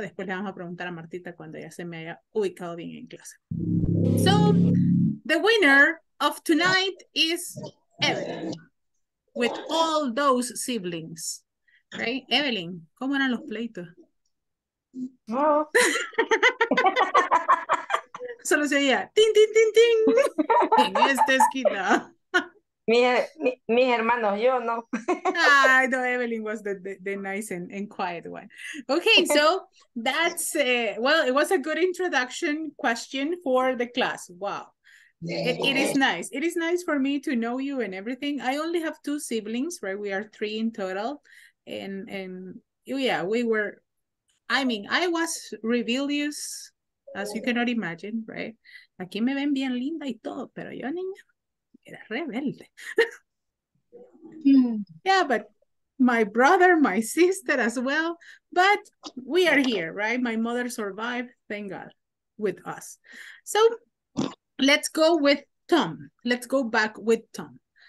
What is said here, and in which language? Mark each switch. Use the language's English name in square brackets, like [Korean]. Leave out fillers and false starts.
[Spanish] Después le vamos a preguntar a Martita cuando ella se me haya ubicado bien en clase. [English] So, the winner of tonight is Evelyn, with all those siblings, right? [Spanish] Evelyn, ¿cómo eran los pleitos? No. Solo se oía, ¡tin, tin, tin, tin! En esta esquina. Mis hermanos, yo no. [English] I know Evelyn was the nice and quiet one. Okay, so that's, well, it was a good introduction question for the class. Wow. It is nice. It is nice for me to know you and everything. I only have two siblings, right? We are three in total. And yeah, I was rebellious, as you cannot imagine, right? [Spanish] Aquí me ven bien linda y todo, pero yo niña. Era rebelde. [English] Yeah, but my brother, my sister as well. But we are here, right? My mother survived, thank God, with us. So let's go with Tom. Let's go back with Tom.